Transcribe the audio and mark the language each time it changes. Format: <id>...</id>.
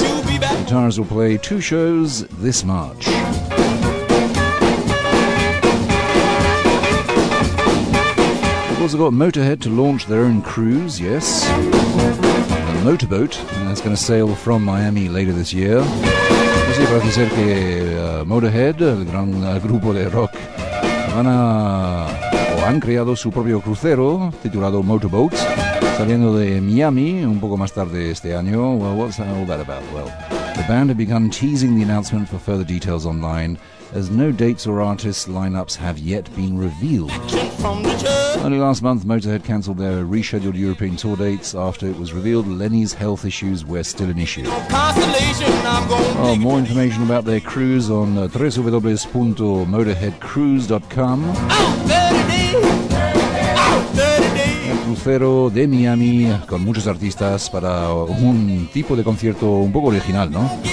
<en>Guitars will play two shows this March. We've also got Motorhead to launch their own cruise, yes. The Motorboat, and that's going to sail from Miami later this year.</en> <es>Parece ser que Motorhead, el gran grupo de rock, han creado su propio crucero titulado Motorboat, saliendo de Miami un poco más tarde este año.</es> <en>Well, what's all that about? Well, the band have begun teasing the announcement for further details online, as no dates or artist lineups have yet been revealed. Only last month, Motorhead cancelled their rescheduled European tour dates after it was revealed Lenny's health issues were still an issue. Oh, more information about their cruise on www.motorheadcruise.com.</en> <es>El crucero de Miami con muchos artistas para un tipo de concierto un poco original, ¿no?</es>